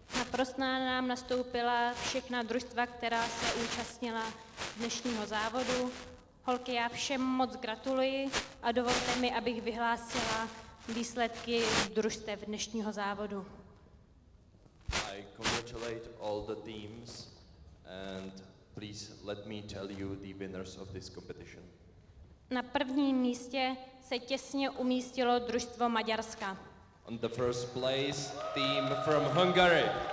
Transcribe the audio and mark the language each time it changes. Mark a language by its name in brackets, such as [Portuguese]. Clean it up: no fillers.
[Czech] Prostná nám nastoupila všechna družstva, která se účastnila dnešního závodu. Holky, já všem moc gratuluji a dovolte mi, abych vyhlásila výsledky družstev dnešního závodu. [English] I congratulate all the teams and please let me tell you the winners of this competition. [Czech] Na prvním místě se těsně umístilo družstvo Maďarska. [English] On the first place, team from Hungary.